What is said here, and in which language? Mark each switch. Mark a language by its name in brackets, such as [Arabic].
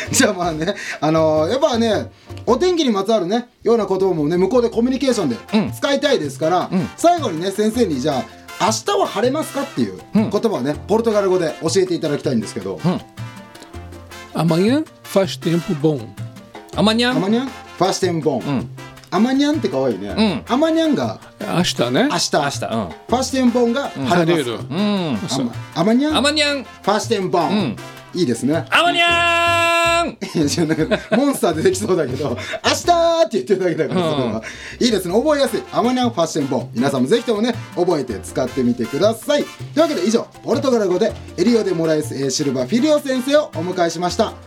[Japanese] じゃあまあね、やっぱね、お天気にまつわるね、ような言葉もね、向こうでコミュニケーションで使いたいですから、うん、最後にね、先生にじゃあ明日は晴れますかっていう言葉をね、うん、ポルトガル語で教えていただきたいんですけど、 [Portuguese] Amanhã faz tempo bom。 Amanhã Amanhã faz tempo bom。 [Japanese] Amanhã って可愛いね。 [Portuguese] Amanhã、 [Japanese] うん、が明日ね、 [Portuguese] faz tempo bom [Japanese] が晴れます。 [Portuguese] Amanhã Amanhã faz tempo bom、 [Japanese] うん、いいですね。 [Portuguese] Amanhã [Japanese] モンスター出てきそうだけど明日って言ってるだけだから、それは、うん、いいですね、覚えやすい。アマニャンファッションボン、皆さんもぜひともね、覚えて使ってみてください。というわけで以上、ポルトガル語でエリオデモラエスシルバフィリオ先生をお迎えしました。